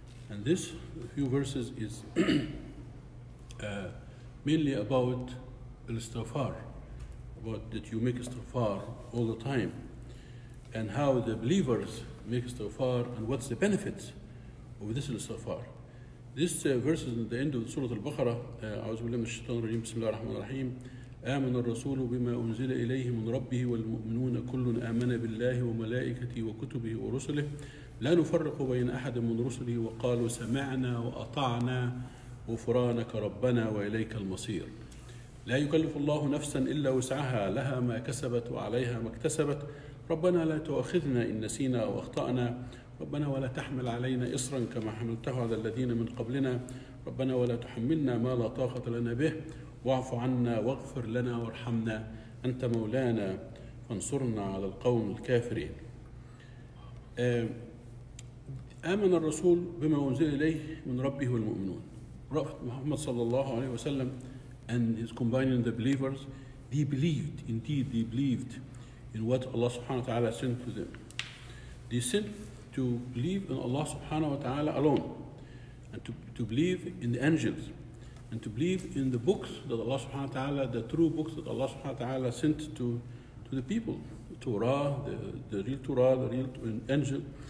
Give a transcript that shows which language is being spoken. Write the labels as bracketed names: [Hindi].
[English] And this few verses is mainly about al-istighfar, about that you make istighfar all the time, and how the believers make istighfar, and what's the benefits of this istighfar. This verses at the end of Surah Al-Baqarah, [Arabic] أعوذ بالله من الشيطان الرجيم بسم الله الرحمن الرحيم آمن الرسول بما أنزل إليه من ربه والمؤمنون كل آمن بالله وملائكته وكتبه ورسله لا نفرق بين أحد من رسله وقالوا سمعنا وأطعنا وفرانك ربنا وإليك المصير لا يكلف الله نفسا إلا وسعها لها ما كسبت وعليها ما اكتسبت ربنا لا تؤاخذنا إن نسينا أو أخطأنا ربنا ولا تحمل علينا إصرا كما حملته على الذين من قبلنا ربنا ولا تحملنا ما لا طاقة لنا به واعف عنا واغفر لنا وارحمنا أنت مولانا فانصرنا على القوم الكافرين. آمن الرسول بما أنزل إليه من ربه والمؤمنون. [English] Prophet Muhammad sallallahu alayhi wa sallam and his companion, the believers, they believed, indeed they believed in what Allah subhanahu wa ta'ala sent to them. They sent to believe in Allah subhanahu wa ta'ala alone, and to believe in the angels, and to believe in the books that Allah subhanahu wa ta'ala, the true books that Allah subhanahu wa ta'ala sent to the people, the Torah, the real Torah, the real angel.